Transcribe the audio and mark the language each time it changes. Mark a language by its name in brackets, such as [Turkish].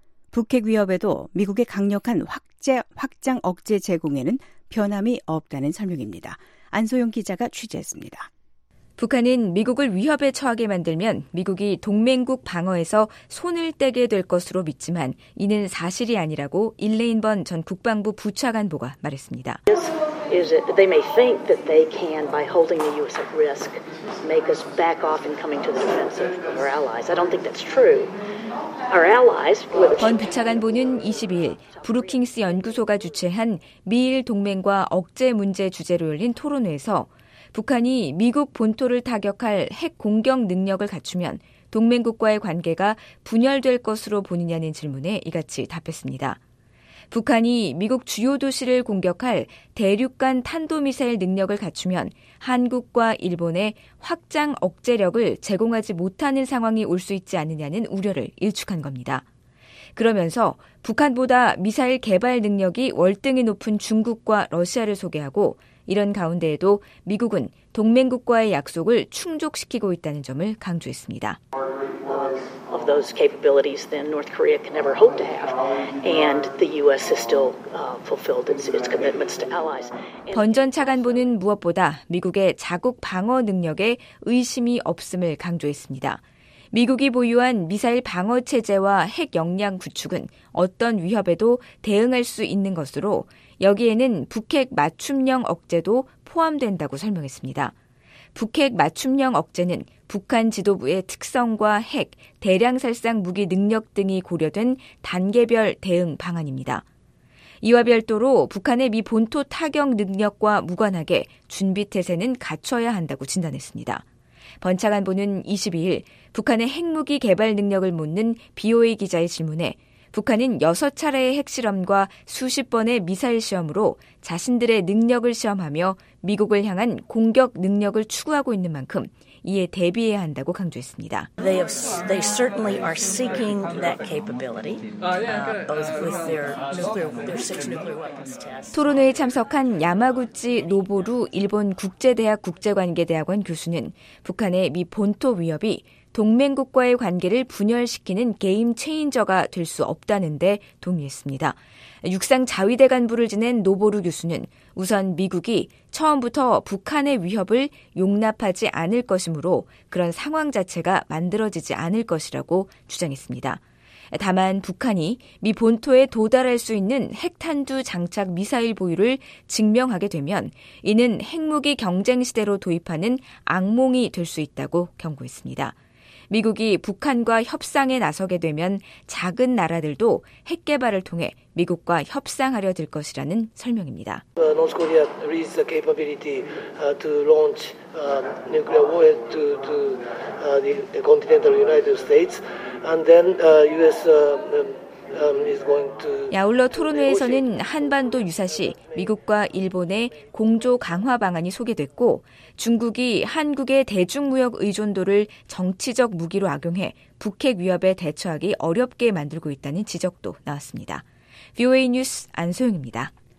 [Korean] 북핵 위협에도 미국의 강력한 확장 억제 제공에는 변함이 없다는 설명입니다. 안소영 기자가 취재했습니다. 북한은 미국을 위협에 처하게 만들면 미국이 동맹국 방어에서 손을 떼게 될 것으로 믿지만 이는 사실이 아니라고 일레인 번 전 국방부 부차관보가 말했습니다. [English] Is it they may think that they can by holding the U.S. at risk make us back off in coming to the defense of our allies? I don't think that's true. Our allies. [Korean] 번 부차관보는 22일 브루킹스 연구소가 주최한 미일 동맹과 억제 문제 주제로 열린 토론회에서 북한이 미국 본토를 타격할 핵 공격 능력을 갖추면 동맹국과의 관계가 분열될 것으로 보느냐는 질문에 이같이 답했습니다. 북한이 미국 주요 도시를 공격할 대륙간 탄도미사일 능력을 갖추면 한국과 일본의 확장 억제력을 제공하지 못하는 상황이 올 수 있지 않느냐는 우려를 일축한 겁니다. 그러면서 북한보다 미사일 개발 능력이 월등히 높은 중국과 러시아를 소개하고 이런 가운데에도 미국은 동맹국과의 약속을 충족시키고 있다는 점을 강조했습니다. [English] Of those capabilities then North Korea can never hope to have and the US is still fulfilled its commitments to allies. [Korean] 번 전 차관보는 무엇보다 미국의 자국 방어 능력에 의심이 없음을 강조했습니다. 미국이 보유한 미사일 방어 체제와 핵 역량 구축은 어떤 위협에도 대응할 수 있는 것으로 여기에는 북핵 맞춤형 억제도 포함된다고 설명했습니다. 북핵 맞춤형 억제는 북한 지도부의 특성과 핵, 대량살상 무기 능력 등이 고려된 단계별 대응 방안입니다. 이와 별도로 북한의 미 본토 타격 능력과 무관하게 준비태세는 갖춰야 한다고 진단했습니다. 번창한보는 22일 북한의 핵무기 개발 능력을 묻는 BOA 기자의 질문에 북한은 6차례의 핵실험과 수십 번의 미사일 시험으로 자신들의 능력을 시험하며 미국을 향한 공격 능력을 추구하고 있는 만큼 이에 대비해야 한다고 강조했습니다. [English] They certainly are seeking that capability, both with their six nuclear weapons tests. [Korean] 토론회에 참석한 야마구치 노보루 일본 국제대학 국제관계대학원 교수는 북한의 미 본토 위협이 동맹국과의 관계를 분열시키는 게임 체인저가 될 수 없다는 데 동의했습니다. 육상 자위대 간부를 지낸 노보루 교수는 우선 미국이 처음부터 북한의 위협을 용납하지 않을 것이므로 그런 상황 자체가 만들어지지 않을 것이라고 주장했습니다. 다만 북한이 미 본토에 도달할 수 있는 핵탄두 장착 미사일 보유를 증명하게 되면 이는 핵무기 경쟁 시대로 도입하는 악몽이 될 수 있다고 경고했습니다. 미국이 북한과 협상에 나서게 되면 작은 나라들도 핵 개발을 통해 미국과 협상하려 들 것이라는 설명입니다. [English] North Korea has the capability to launch nuclear warhead to the continental United States and then US is going to [Korean] 야울러 토론회에서는 한반도 유사시 미국과 일본의 공조 강화 방안이 소개됐고 중국이 한국의 대중무역 의존도를 정치적 무기로 악용해 북핵 위협에 대처하기 어렵게 만들고 있다는 지적도 나왔습니다. VOA 뉴스 안소영입니다.